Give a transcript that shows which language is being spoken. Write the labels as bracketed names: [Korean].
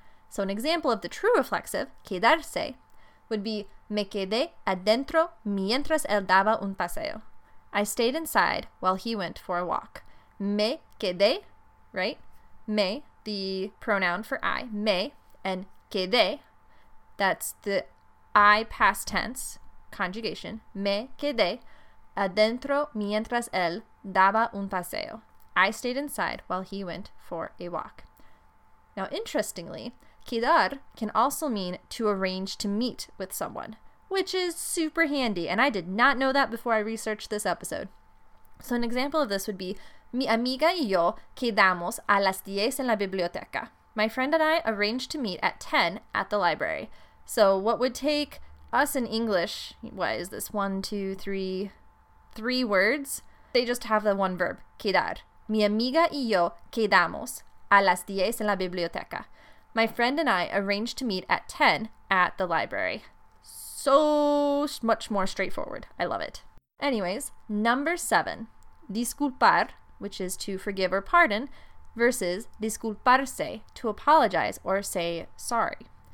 [English] So an example of the true reflexive, quedarse, would be [Spanish] me quedé adentro mientras él daba un paseo. [English] I stayed inside while he went for a walk. [Spanish] Me quedé, [English] right? Me, the pronoun for I, me, and quedé, that's the I past tense conjugation. [Spanish] Me quedé adentro mientras él daba un paseo. [English] I stayed inside while he went for a walk. Now, interestingly, quedar can also mean to arrange to meet with someone, which is super handy, and I did not know that before I researched this episode. So an example of this would be, [Spanish] mi amiga y yo quedamos a las 10 en la biblioteca. [English] My friend and I arranged to meet at 10 at the library. So what would take us in English, what is this, one, two, three words? They just have the one verb, quedar. [Spanish] Mi amiga y yo quedamos a las 10 en la biblioteca. [English] My friend and I arranged to meet at 10 at the library. So much more straightforward. I love it. Anyways, number 7, disculpar, which is to forgive or pardon, versus disculparse, to apologize or say sorry.